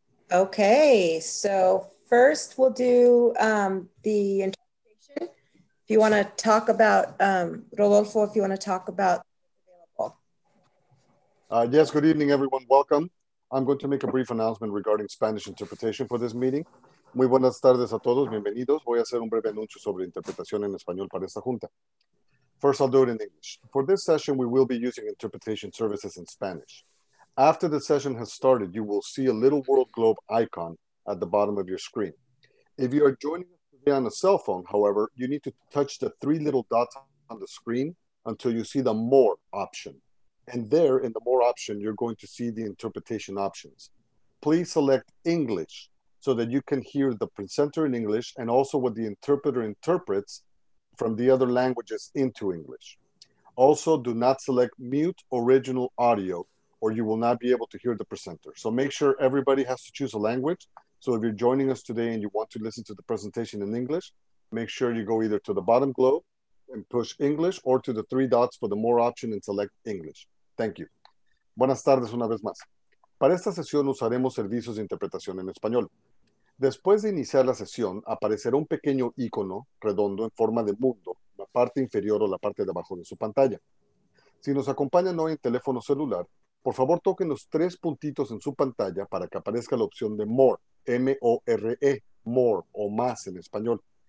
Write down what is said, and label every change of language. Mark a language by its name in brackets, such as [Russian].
[English] Okay, so first we'll do the interpretation. If you want to talk about Rodolfo, if you want to talk about available. Yes. Good evening, everyone. Welcome. I'm going to make a brief announcement regarding Spanish interpretation for this meeting. [Spanish] Muy buenas tardes a todos, bienvenidos. Voy a hacer un breve anuncio sobre interpretación en español para esta junta. [English] First, I'll do it in English. For this session, we will be using interpretation services in Spanish. After the session has started, you will see a little world globe icon at the bottom of your screen. If you are joining us today on a cell phone, however, you need to touch the three little dots on the screen until you see the more option. And there in the more option, you're going to see the interpretation options. Please select English so that you can hear the presenter in English and also what the interpreter interprets from the other languages into English. Also, do not select mute original audio or you will not be able to hear the presenter. So make sure everybody has to choose a language. So if you're joining us today and you want to listen to the presentation in English, make sure you go either to the bottom globe and push English or to the three dots for the more option and select English. Thank you. [Spanish] Buenas tardes una vez más. Para esta sesión usaremos servicios de interpretación en español. Después de iniciar la sesión, aparecerá un pequeño icono redondo en forma de mundo, la parte inferior o la parte de abajo de su pantalla. Si nos acompañan hoy en teléfono celular, por favor toquen los tres puntitos en su pantalla para que aparezca la opción de More, M-O-R-E, More o más en español.